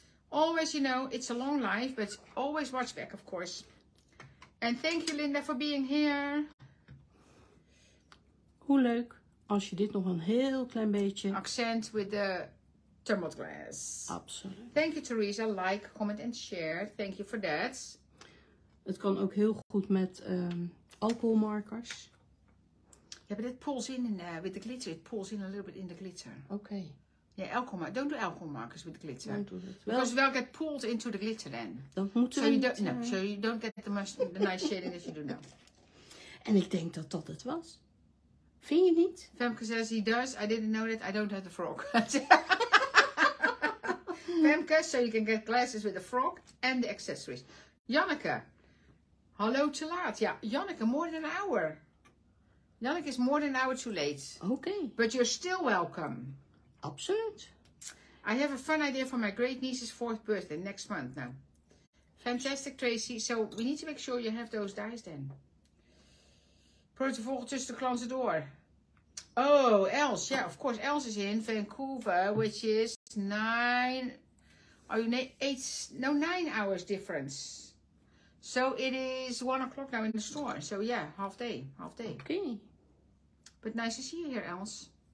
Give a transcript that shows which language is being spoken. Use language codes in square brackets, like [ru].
[en] Always, you know, it's a long life, but always watch back, of course. And thank you, Linda, for being here. [nl] Hoe leuk als je dit nog een heel klein beetje... [en] Accent with the thermal glass. [nl] Absoluut. [en] Thank you, Theresa. Like, comment and share. Thank you for that. [nl] Het kan ook heel goed met alcoholmarkers. [en] Yeah, but it pulls in with the glitter. It pulls in a little bit in the glitter. Okay. Ja, don't do alcohol markers with glitter. Don't do that. Well, because we'll get pulled into the glitter then. [nl] Dat moeten [en] so [nl] we niet. [en] No, so you don't get the nice shading as you do now. [nl] En ik denk dat dat het was. Vind je niet? [en] Femke says he does. I didn't know that. I don't have the frog. Femke, so you can get glasses with the frog and the accessories. Janneke. [nl] Hallo te laat. [en] Ja, Janneke, more than an hour. Janneke is more than an hour too late. Okay. But you're still welcome. Absoluut. I have a fun idea for my great niece's 4th birthday next month now. Fantastic, Tracy. So we need to make sure you have those dice then. Probably to [nl] volgen tussen de klanten door. [en] Oh, Els. Yeah, of course. Els is in Vancouver, which is 9 hours difference. So it is 1 o'clock now in the store. So yeah, half day. Okay. But nice to see you here, Els.